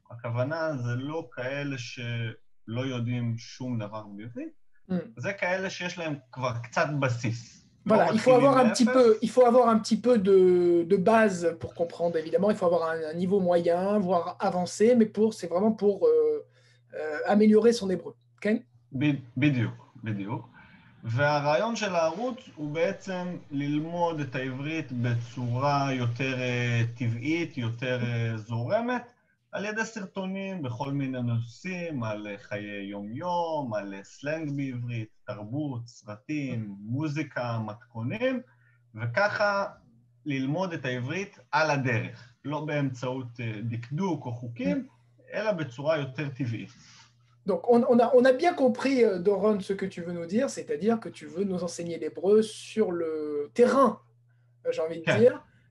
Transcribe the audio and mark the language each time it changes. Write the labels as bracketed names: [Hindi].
[Hebrew] Hakavana ze lo ka'ele she לא יודעים שום דבר בעברית. זה כאלה שיש להם כבר קצת בסיס. [French] Voilà, il faut avoir un petit peu, il faut avoir un petit peu de base pour comprendre évidemment, il faut avoir un niveau moyen, voire avancé, mais pour c'est vraiment pour améliorer son hébreu. [Hebrew] כן? בדיוק, בדיוק. והרעיון של הערוץ הוא בעצם ללמוד את העברית בצורה יותר טבעית, יותר זורמת. על ידי סרטונים בכל מיני נושאים, על חיי יום-יום, על סלנג בעברית, תרבות, סרטים, מוזיקה, מתכונים, וככה ללמוד את העברית על הדרך, לא באמצעות דקדוק או חוקים, אלא בצורה יותר טבעית. [French] Donc on a bien compris, Doron, ce que tu veux nous dire, c'est-à-dire que tu veux nous enseigner l'hébreu sur le terrain, j'ai envie de dire.